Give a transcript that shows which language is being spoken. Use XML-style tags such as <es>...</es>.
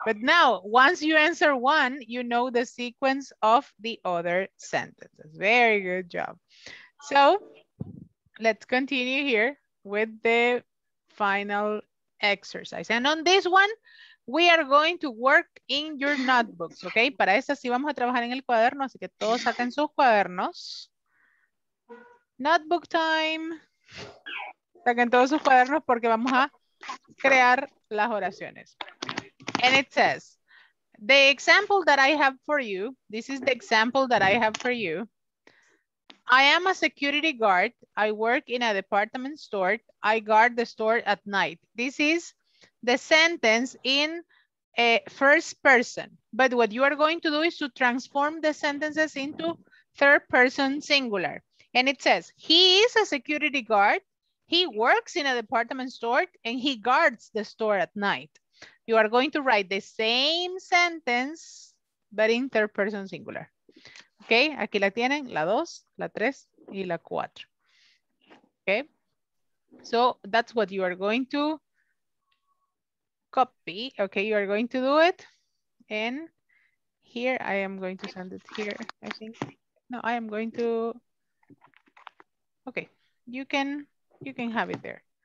<en>But now, once you answer one, you know the sequence of the other sentences. Very good job. So let's continue here with the final exercise. And on this one, we are going to work in your notebooks, okay?</en> <es>Para esta sí vamos a trabajar en el cuaderno, así que todos saquen sus cuadernos.</es> <en>Notebook time.</en> <es>Saquen todos sus cuadernos porque vamos a crear las oraciones.</es> <en>And it says, the example that I have for you, this is the example that I have for you. I am a security guard. I work in a department store. I guard the store at night. This is the sentence in a first person. But what you are going to do is to transform the sentences into third person singular. And it says, he is a security guard. He works in a department store and he guards the store at night. You are going to write the same sentence, but in third person singular.</en> <es>Okay, aquí la tienen, la dos, la tres y la cuatro.</es> <en>Okay, so that's what you are going to copy. Okay, you are going to do it. And here I am going to send it here, I think. No, I am going to, okay, you can have it there.</en>